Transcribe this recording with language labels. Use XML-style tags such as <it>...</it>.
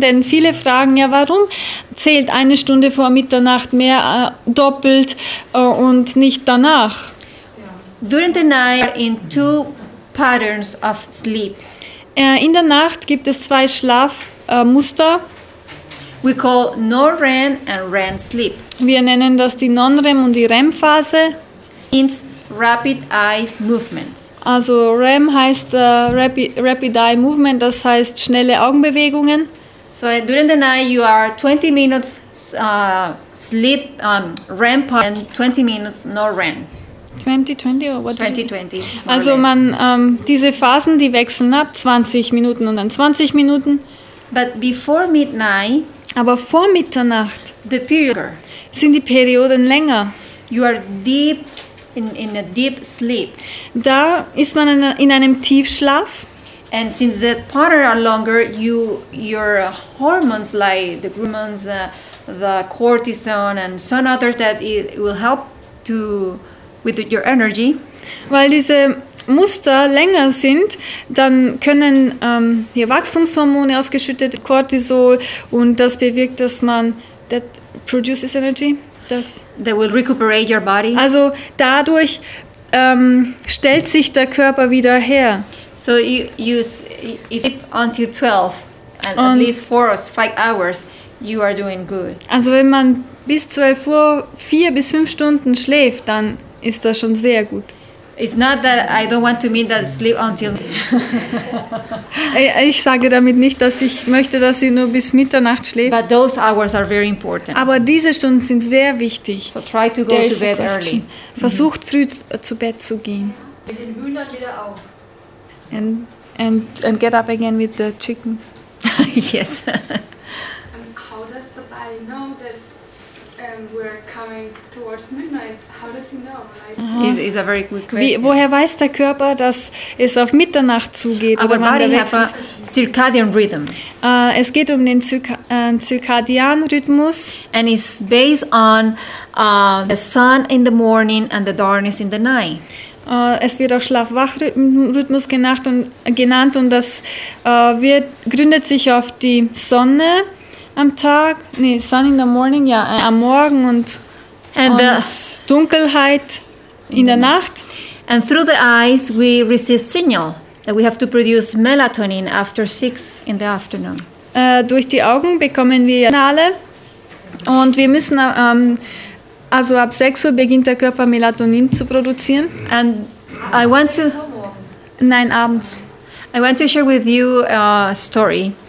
<de>Denn viele fragen ja, warum zählt eine Stunde vor Mitternacht mehr doppelt und nicht danach?</de> <en>During the night, in two patterns of sleep.</en> <de>In der Nacht gibt es zwei Schlafmuster.</de> <en>We call non-REM and REM sleep.</en> <de>Wir nennen das die Non-REM und die REM-Phase.</de> <en>Means rapid eye movement.</en> <de>Also REM heißt rapid eye movement, das heißt schnelle Augenbewegungen.</de> <en>So during the night you are 20 minutes sleep REM part and 20 minutes non-REM. 20-20 or what? 20-20.</en> <de>Also man diese Phasen, die wechseln ab, 20 Minuten und dann 20 Minuten.</de> <en>But before midnight.</en> <de>Aber vor Mitternacht.</de> <en>The period.</en> <de>Sind die Perioden länger.</de> <en>You are deep in a deep sleep.</en> <de>Da ist man in einem Tiefschlaf.</de> <en>And since the pattern are longer, your hormones like the hormones, the cortisone and some others that it will help to with your energy.</en> <de>Weil diese Muster länger sind, dann können hier Wachstumshormone ausgeschüttet, Cortisol, und das bewirkt, dass man</de> <en>that produces energy.</en> <de>Das</de> <en>that will recuperate your body.</en> <de>Also dadurch stellt sich der Körper wieder her.</de> <en>So you sleep until 12 and at least 4 or 5 hours, you are doing good.</en> <de>Also wenn man bis 12 Uhr 4 bis 5 Stunden schläft, dann ist das schon sehr gut.</de> <en>It's not that I don't want to mean that sleep until.</en> <de>Ich sage damit nicht, dass ich möchte, dass sie nur bis Mitternacht schläft.</de> <en>But those hours are very important.</en> <de>Aber diese Stunden sind sehr wichtig.</de> <en>So try to go to bed early.</en> <de>Versucht früh zu Bett zu gehen. Mit den Hühnern wieder auf.</de> <en>And get up again with the chickens. Yes. How does the body know that we're coming towards midnight? How does he know? Like, it's a very good question.</en> <de>Woher weiß der Körper, dass es auf Mitternacht zugeht?</de> <en>Our body has a circadian rhythm.</en> <de>Es geht um den circadian Rhythmus.</de> <en>And it's based on the sun in the morning and the darkness in the night.</en> <de>Es wird auch Schlaf-Wach-Rhythmus genannt und das wird gründet sich auf die Sonne.</de> <en>Sun in the morning,</en> <de>ja, am Morgen und the Dunkelheit in der Nacht.</de> <en>And through the eyes we receive signal that we have to produce melatonin after 6 in the afternoon.</en> <de>Durch die Augen bekommen wir Signale und wir müssen, also ab 6 Uhr beginnt der Körper Melatonin zu produzieren.</de> <en>And I want to,</en> <de>abends.</de> <en>I want to share with you a story.</en>